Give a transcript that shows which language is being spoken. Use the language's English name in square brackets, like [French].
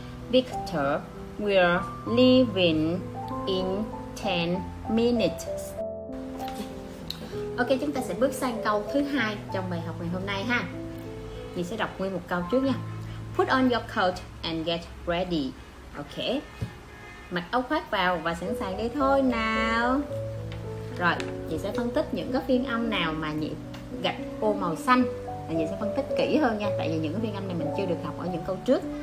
[English] Victor, we're leaving in 10 minutes. [Vietnamese] Okay, chúng ta sẽ bước sang câu thứ hai trong bài học ngày hôm nay ha. Mình sẽ đọc nguyên một câu trước nha. [English] Put on your coat and get ready. Okay. [Vietnamese] Mặc áo khoác vào và sẵn sàng đi thôi nào. Rồi, chị sẽ phân tích những cái phiên âm nào mà nhị gạch ô màu xanh. Và chị sẽ phân tích kỹ hơn nha, tại vì những cái phiên âm này mình chưa được học ở những câu trước.